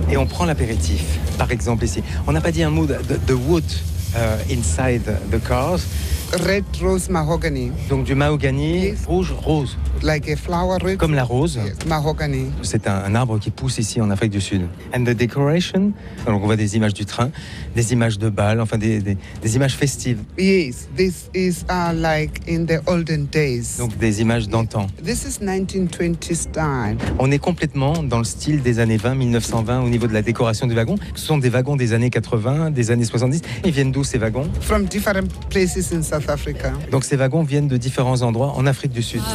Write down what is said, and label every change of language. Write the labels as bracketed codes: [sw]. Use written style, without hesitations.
[fr] Et on prend l'apéritif, par exemple ici. On n'a pas dit un mot de [en] wood inside the cars. Red rose mahogany. [fr] Donc du mahogany, yes. Rouge, rose. [en] Like a flower red. [fr] Comme la rose. [en] Yes. Mahogany. [fr] C'est un arbre qui pousse ici en Afrique du Sud. [en] And the decoration. [fr] Donc on voit des images du train, des images de bal, enfin des images festives. [en] Yes, this is like in the olden days. [fr] Donc des images d'antan. [en] This is 1920s time. [fr] On est complètement dans le style des années 20, 1920 au niveau de la décoration du wagon. Ce sont des wagons des années 80, des années 70. Ils viennent d'où ces wagons? [en] From different places in South Africa. [fr] Donc ces wagons viennent de différents endroits en Afrique du Sud.